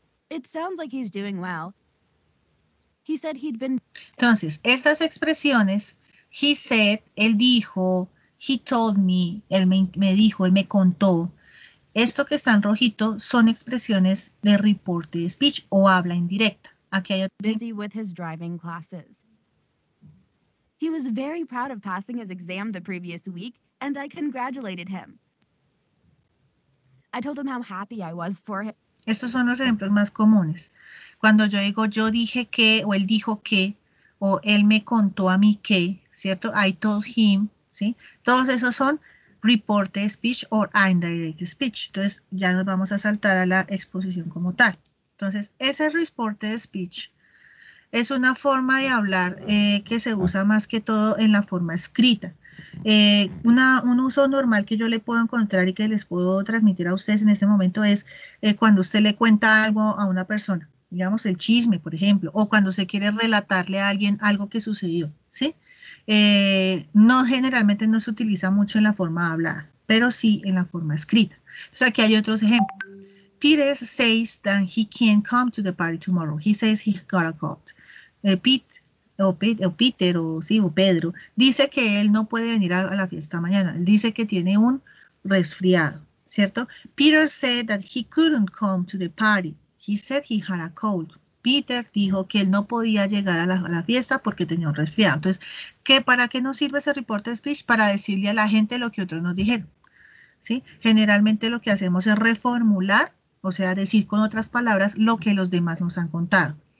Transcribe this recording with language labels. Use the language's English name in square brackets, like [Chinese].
[English] It sounds like he's doing well. He said he'd been... [Spanish] Entonces, estas expresiones, [English] he said, [Spanish] él dijo, [English] he told me, [Spanish] él me dijo, él me contó. Esto que está en rojito son expresiones de report de speech o habla indirecta. Aquí hay otro... [English] Busy with his driving classes. He was very proud of passing his exam the previous week, and I congratulated him. I told him how happy I was for him. [Spanish] Estos son los ejemplos más comunes. Cuando yo digo yo dije que, o él dijo que, o él me contó a mí que, ¿cierto? [English] I told him, [Spanish] ¿sí? Todos esos son reported speech o indirect speech. Entonces, ya nos vamos a saltar a la exposición como tal. Entonces, ese reported speech es una forma de hablar que se usa más que todo en la forma escrita. Un uso normal que yo le puedo encontrar y que les puedo transmitir a ustedes en este momento es cuando usted le cuenta algo a una persona, digamos el chisme, por ejemplo, o cuando se quiere relatarle a alguien algo que sucedió, ¿sí? No, generalmente no se utiliza mucho en la forma hablada, pero sí en la forma escrita. Entonces, aquí hay otros ejemplos. [English] Peter says that he can't come to the party tomorrow. He says he got a cold. [Spanish] Pedro dice que él no puede venir a la fiesta mañana. Él dice que tiene un resfriado, ¿cierto? [English] Peter said that he couldn't come to the party. He said he had a cold. [Spanish] Peter dijo que él no podía llegar a la fiesta porque tenía un resfriado. Entonces, ¿qué, para qué nos sirve ese report of speech? Para decirle a la gente lo que otros nos dijeron, ¿sí? Generalmente lo que hacemos es reformular, o sea, decir con otras palabras lo que los demás nos han contado.